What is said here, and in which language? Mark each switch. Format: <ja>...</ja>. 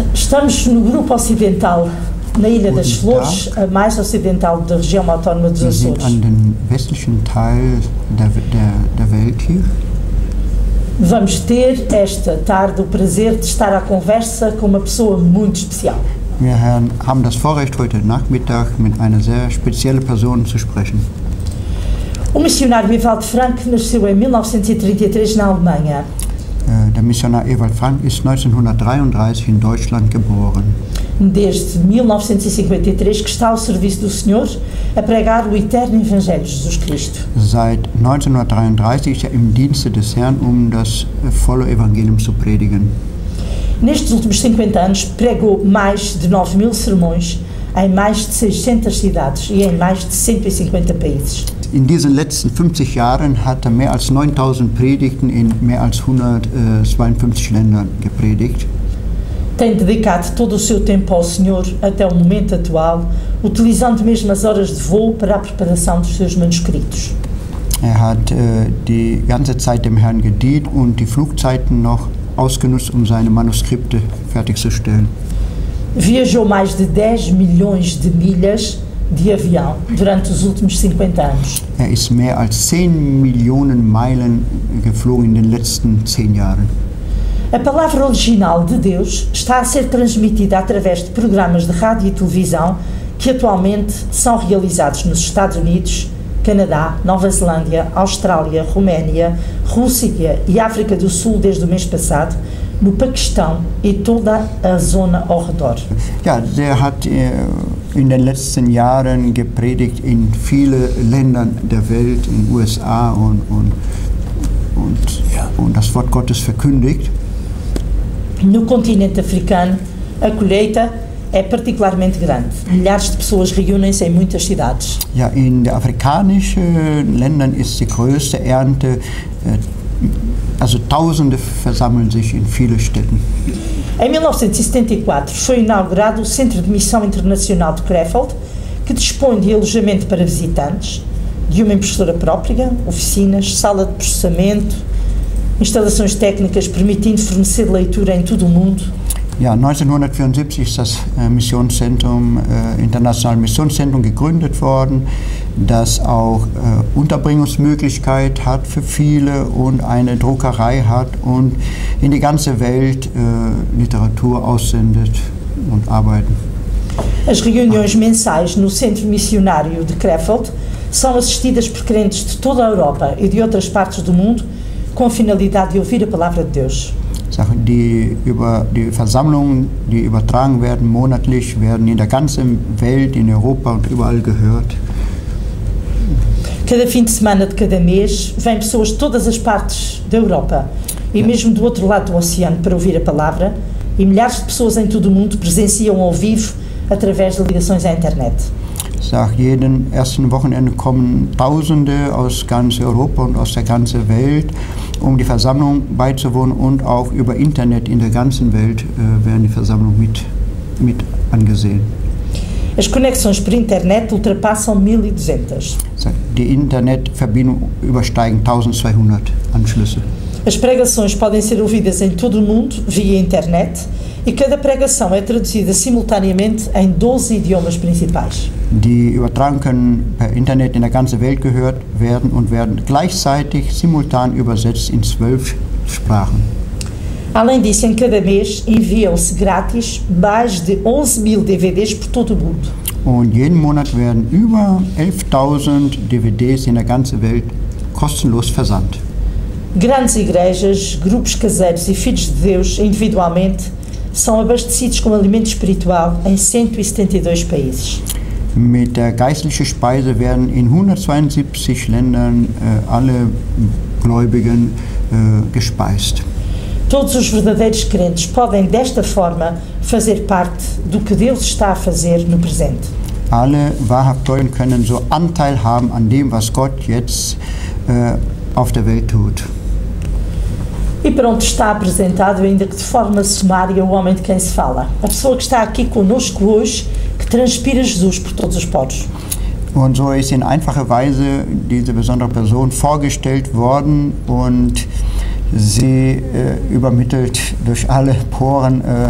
<pt>Estamos no grupo ocidental, na Ilha das Flores, a mais ocidental da região autónoma dos Açores.</pt> <de>Wir sind an den westlichen Teil der Welt hier.</de> <pt>Vamos ter esta tarde o prazer de estar à conversa com uma pessoa muito especial.</pt> <de>Wir haben das Vorrecht, heute Nachmittag mit einer sehr speziellen Person zu sprechen.</de> <pt>O missionário Ewald Frank nasceu em 1933 na Alemanha.</pt> <de>Der Missionar Ewald Frank ist 1933 in Deutschland geboren.</de> <pt>Desde 1953 que está ao serviço do Senhor a pregar o eterno Evangelho de Jesus Cristo.</pt> <de>Seit 1933 ist er im Dienste des Herrn, das volle Evangelium zu predigen.</de> <pt>Nestes últimos 50 anos pregou mais de 9.000 sermões em mais de 600 cidades e em mais de 150 países.</pt> <de>In diesen letzten 50 Jahren hat er mehr als 9000 Predigten in mehr als 152 Ländern gepredigt.</de> <pt>Tem dedicado todo o seu tempo ao Senhor até o momento atual, utilizando mesmo as horas de voo para a preparação dos seus manuscritos.</pt> <de>Er hat die ganze Zeit dem Herrn gedient und die Flugzeiten noch ausgenutzt, seine Manuskripte fertigzustellen.</de> <pt>Viajou mais de 10 milhões de milhas de avião durante os últimos 50 anos.</pt> <de>Er ist mehr als 10 Millionen Meilen geflogen in den letzten 10 Jahren.</de> <pt>A palavra original de Deus está a ser transmitida através de programas de rádio e televisão que atualmente são realizados nos Estados Unidos, Canadá, Nova Zelândia, Austrália, Roménia, Rússia e África do Sul desde o mês passado, no Paquistão e toda a zona ao redor.</pt> <de>Ja, der hat in den letzten Jahren gepredigt in viele Ländern der Welt, in USA und das Wort Gottes verkündigt.</de> <pt>No continente africano, a colheita é particularmente grande. Milhares de pessoas reúnem-se em muitas cidades.</pt> <de>Ja, in den afrikanischen Ländern ist die größte Ernte, also Tausende versammeln sich in vielen Städten.</de> <pt>Em 1974 foi inaugurado o Centro de Missão Internacional de Krefeld, que dispõe de alojamento para visitantes, de uma impressora própria, oficinas, sala de processamento, instalações técnicas permitindo fornecer leitura em todo o mundo.</pt> <de>Ja, 1974 ist das Missionszentrum, internationale Missionszentrum gegründet worden, das auch Unterbringungsmöglichkeit hat für viele und eine Druckerei hat und in die ganze Welt Literatur aussendet und arbeitet.</de> <pt>As reuniões mensais no Centro Missionário de Krefeld são assistidas por crentes de toda a Europa e de outras partes do mundo com a finalidade de ouvir a palavra de Deus.</pt> <de>Die Versammlungen, die übertragen werden monatlich, werden in der ganzen Welt, in Europa und überall gehört.</de> <pt>Cada fim de semana de cada mês vêm pessoas de todas as partes da Europa e mesmo do outro lado do oceano para ouvir a palavra, e milhares de pessoas em todo o mundo presenciam ao vivo através de ligações à internet.</pt> <de>Jeden ersten Wochenende kommen Tausende aus ganz Europa und aus der ganzen Welt, die Versammlung beizuwohnen und auch über Internet in der ganzen Welt werden die Versammlung mit angesehen.</de> <pt>As conexões por internet ultrapassam 1200.</pt> <de>Die Internetverbindung übersteigen 1200 Anschlüsse.</de> <pt>As pregações podem ser ouvidas em todo o mundo via internet e cada pregação é traduzida simultaneamente em 12 idiomas principais.</pt> <de>Die Übertragungen können per Internet in der ganzen Welt gehört werden und werden gleichzeitig simultan übersetzt in 12 Sprachen.</de> <pt>Além disso, em cada mês enviam-se grátis mais de 11.000 DVDs por todo o mundo.</pt> <de>Und jeden Monat werden über 11.000 DVDs in der ganzen Welt kostenlos versandt.</de> <pt>Grandes igrejas, grupos caseiros e filhos de Deus individualmente são abastecidos com alimento espiritual em 172 países.</pt> <de>Mit der geistlichen Speise werden in 172 Ländern alle Gläubigen gespeist.</de> <pt>Todos os verdadeiros crentes podem desta forma fazer parte do que Deus está a fazer no presente.</pt> <de>Alle wahrhaftgläubigen können so Anteil haben an dem, was Gott jetzt auf der Welt tut.</de> <pt>E pronto, está apresentado, ainda que de forma sumária, o homem de quem se fala. A pessoa que está aqui conosco hoje, que transpira Jesus por todos os poros.</pt> <de>Und so ist in einfacher Weise diese besondere Person vorgestellt worden und sie übermittelt durch alle Poren</de>